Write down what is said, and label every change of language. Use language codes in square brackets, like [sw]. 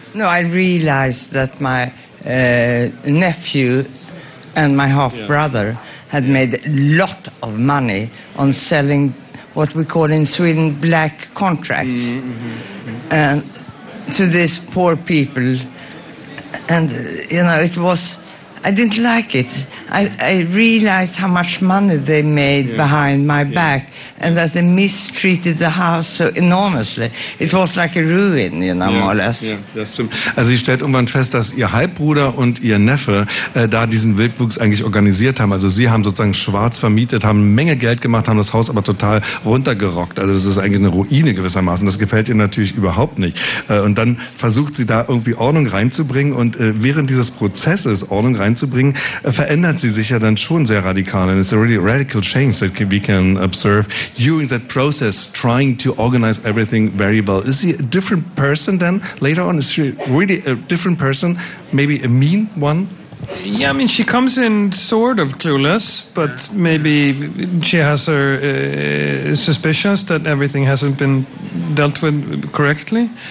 [en] No, I realized that my nephew and my half-brother had made a lot of money on selling what we call in Sweden black contracts and to these poor people. And, you know, it was, I didn't like it. I realized how much money they made behind my back and that they mistreated the house so enormously. It was like a ruin, you know, more or less. [de] Ja, das stimmt. Also sie stellt irgendwann fest, dass ihr Halbbruder und ihr Neffe da diesen Wildwuchs eigentlich organisiert haben. Also sie haben sozusagen schwarz vermietet, haben eine Menge Geld gemacht, haben das Haus aber total runtergerockt. Also das ist eigentlich eine Ruine gewissermaßen. Das gefällt ihr natürlich überhaupt nicht. Und dann versucht sie da irgendwie Ordnung reinzubringen und während dieses Prozesses Ordnung reinzubringen, verändert sie sich ja dann schon sehr radikal. [en] And it's a really radical change that we can observe during that process, trying to organize everything very well. Is she a different person then later on? Is she really a different person? Maybe a mean one? Yeah, I mean, she comes in sort of clueless, but maybe she has her suspicions that everything hasn't been dealt with correctly.